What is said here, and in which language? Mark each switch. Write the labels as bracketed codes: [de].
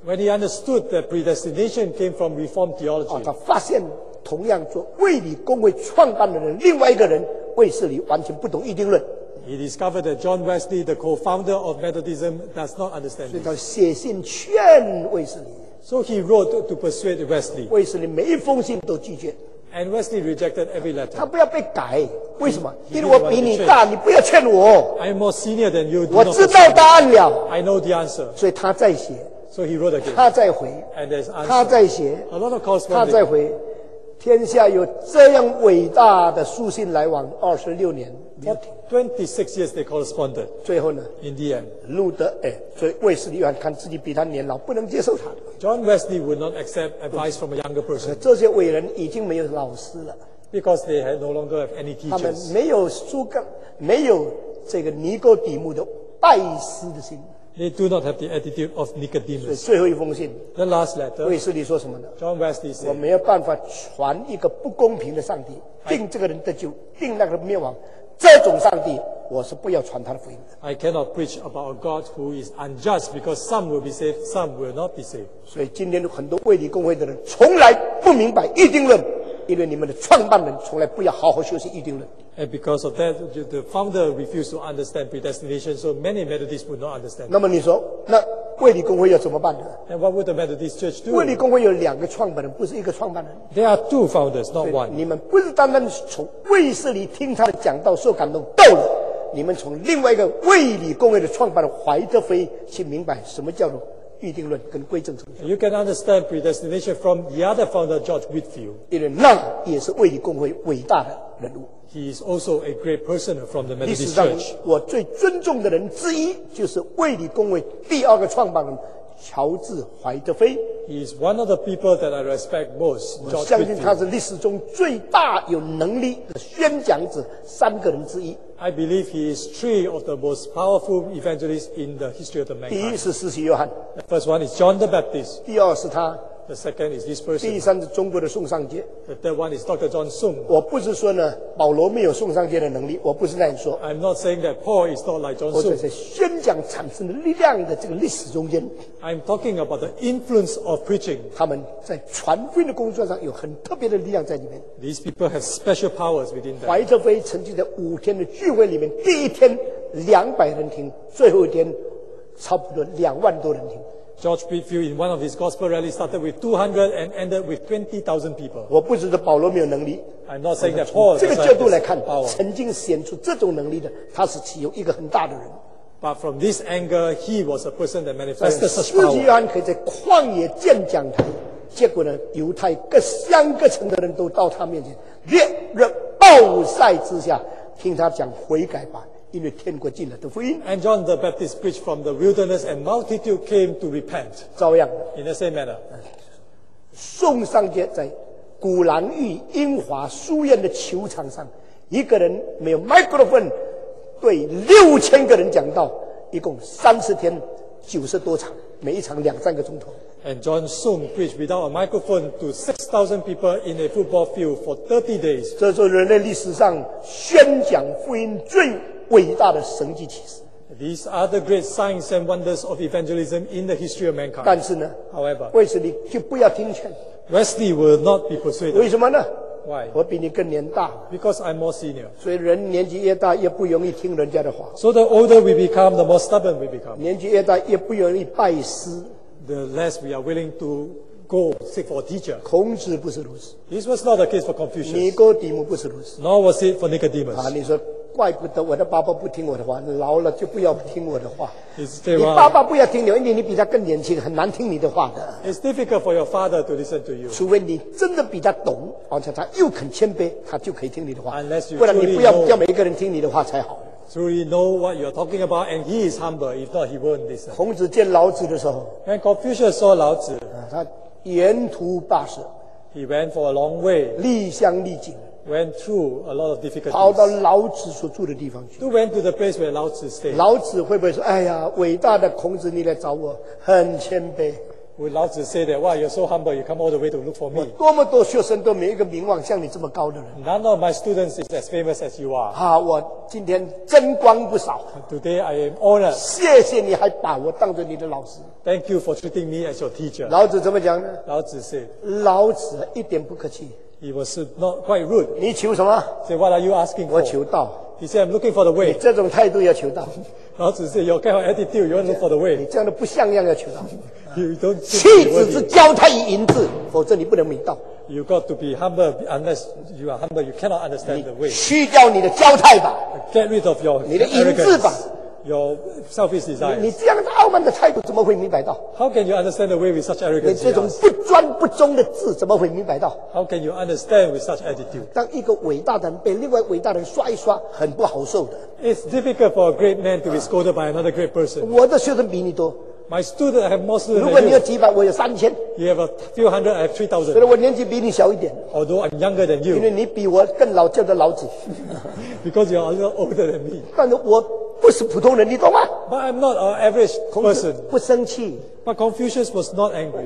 [en] When he understood that predestination came from Reformed theology. [zh] 他发现同样做卫理公会创办的人，另外一个人卫斯理完全不懂预定论。 [en] He discovered that John Wesley, the co-founder of Methodism, does not understand this. [zh] 所以他写信劝卫斯理。 [en] So he wrote to persuade Wesley. [zh] 卫斯理每一封信都拒绝。 [en] And Wesley rejected every letter. [zh] 他不要被改，为什么？因为我比你大，你不要劝我。 [en] I'm more senior than you. [zh] 我知道答案了。 [en] I know the answer. [zh] 所以他再写。 [en] So he wrote again. [zh] 他再回。 [en] And there's answer. [zh] 他再写。 [en] A lot of calls. [zh] 他再回。天下有这样伟大的书信来往二十六年。 [en] 26 years they corresponded. [zh] 最后呢 [en] ？In the end, [zh] 路德哎，所以卫斯理远看自己比他年老，不能接受他。 [en] John Wesley would not accept advice from a younger person. [zh] 这些伟人已经没有老师了。 [en] Because they had no longer have any teachers. [zh] 他们没有苏格，没有这个尼哥底母的拜师的心。 [en] They do not have the attitude of Nicodemus. [zh] 所以最后一封信 [en] ，The last letter. [zh] 卫斯理说什么呢 [en] ？John Wesley said, [zh] 我没有办法传一个不公平的上帝，定这个人得救，定那个人灭亡。这种上帝，我是不要传他的福音的。 [en] I cannot preach about a God who is unjust because some will be saved, some will not be saved. [zh] 所以今天很多卫理公会的人从来不明白预定论，因为你们的创办人从来不要好好修习预定论。 [en] And because of that, the founder refused to understand predestination, so many Methodists would not understand. [zh] 那么你说，那卫理公会要怎么办呢 [en] ？And what would the Methodist Church do? [zh] 卫理公会有两个创办人，不是一个创办人。 [en] There are two founders, not one. [zh] 你们不是单单从卫斯理听他的讲道受感动到了，你们从另外一个卫理公会的创办人怀特菲去明白什么叫做。预定论跟归正宗教。 [en] You can understand predestination from the other founder, George Whitefield. [zh] 因为那也是卫理公会伟大的人物。 [en] He is also a great person from the Methodist Church. [zh] 历史上我最尊重的人之一就是卫理公会第二个创办人乔治·怀特菲。 [en] He is one of the people that I respect most. [zh] 我相信他是历史中最大有能力的宣讲者三个人之一。 [en] I believe he is three of the most powerful evangelists in the history of the mankind. [zh] 第一是施洗约翰。 [en] The first one is John the Baptist. [zh] 第二是他。 [en] The second is this person. [zh] 第三是中国的宋尚杰。 [en] The third one is Dr. John Sung. [zh] 我不是说呢，保罗没有宋尚杰的能力，我不是那样说。 [en] I'm not saying that Paul is not like John Sung. [zh] 我只是宣讲产生的力量的这个历史中间。 [en] I'm talking about the influence of preaching. [zh] 他们在传福音的工作上有很特别的力量在里面。 [en] These people have special powers within them. [zh] 怀特菲曾经在五天的聚会里面，第一天200人听，最后一天差不多20,000多人听。 [en] George Whitefield in one of his gospel rallies started with 200 and ended with 20,000 people. [zh] 我不知道保罗没有能力。 [en] I'm not saying that Paul. [zh] 这个角度来看，曾经显出这种能力的，他是其中一个很大的人。 [en] But from this angle, he was a person that manifested such power. [zh] 使徒约翰可以在旷野建讲台，结果呢，犹太各乡各城的人都到他面前，烈日暴晒之下听他讲悔改吧。因为天国进了的福音 [en] and John the Baptist preached from the wilderness and multitude came to repent [zh] 照样 [en] in the same manner [zh] 送上街，在古兰玉英华书院的球场上，一个人没有 microphone 对6000个人讲道，一共30天90多场，每一场2-3个钟头。 [en] And John Soong preached without a microphone to 6,000 people in a football field for 30 days. [zh] 这是人类历史上宣讲福音最伟大的神迹奇事。 [en] These are the great signs and wonders of evangelism in the history of mankind. [zh] 但是呢 [en] ，However， [zh] 为什么就不要听劝 [en] ？Wesley will not be persuaded. [zh] 为什么呢 [en] ？Why？ [zh] 我比你更年大。 [en] Because I'm more senior. [zh] 所以人年纪越大，越不容易听人家的话。 [en] So the older we become, the more stubborn we become. [zh] 年纪越大，越不容易拜师。 [en] The less we are willing to go seek for a teacher. [zh] 孔子不是如此。 [en] This was not the case for Confucius. [zh] 尼哥底母不是如此。 [en] Nor was it for Nicodemus. [zh] 啊，你说怪不得我的爸爸不听我的话，老了就不要听我的话。 [en] It's difficult. [zh] 你爸爸不要听你，因为你比他更年轻，很难听你的话的。 [en] It's difficult for your father to listen to you. [zh] 除非你真的比他懂，而且他又肯谦卑，他就可以听你的话。 [en] Unless you [zh] 不然你不要叫每一个人听你的话才好。 [en] Truly know what you are talking about, and he is humble. If not, he won't listen. [zh] 孔子见老子的时候 [en] ，When Confucius saw 老子， [zh] 他沿途跋涉 [en] ，He went for a long way. [zh] 历乡历境 [en] ，Went through a lot of difficulties. [zh] 跑到老子所住的地方去 [en] ，To went to the place where 老子 stayed. [zh] 老子会不会说，哎呀，伟大的孔子，你来找我，很谦卑。 [en] Would 老子 say that? Why you're so humble? You come all the way to look for me. [zh] 多么多学生都没一个名望像你这么高的人。 [en] None of my students is as famous as you are. [zh] 啊，我今天增光不少。 [en] Today I am honored. [zh] 谢谢你还把我当作你的老师。 [en] Thank you for treating me as your teacher. [zh] 老子怎么讲呢？ [en] 老子 said. [zh] 老子一点不客气。 [en] He was not quite rude. [zh] 你求什么 [en] ？Say what are you asking for? [zh] 我求道。 [en] He said I'm looking for the way. [zh] 你这种态度要求道。 [en] 老子 said your kind of attitude, you want to look for the way. [zh] 你这样的不像样要求道。 [en] You don't [zh] 气质是交态于银质，否则你不能明道。 [en] You got to be humble, unless you are humble, you cannot understand the way. [zh] 去掉你的交态吧。 [en] Get rid of your [zh] 你的银质吧。 [en] Your selfish desire. [zh] 你这样的傲慢的态度怎么会明白道 [en] ？How can you understand the way with such arrogance? [zh] 你这种不专不忠的字怎么会明白道 [en] ？How can you understand with such attitude? [zh] 当一个伟大的人被另外伟大人刷一刷，很不好受的。 [en] It's difficult for a great man to be scolded by another great person. [zh] 我的学生比你多。 [en] My student have more students. [zh] 如果你有几百，我有3000。 [en] You have a few hundred, I have 3000. [zh] 所以我年纪比你小一点。 [en] Although I'm younger than you. [zh] 因为你比我更老，叫做老子。 [en] Because you are a little older than me. [zh] 但是我不是普通人，你懂吗 [en] ？But I'm not an average person. [zh] 孔子不生气。 [en] But Confucius was not angry.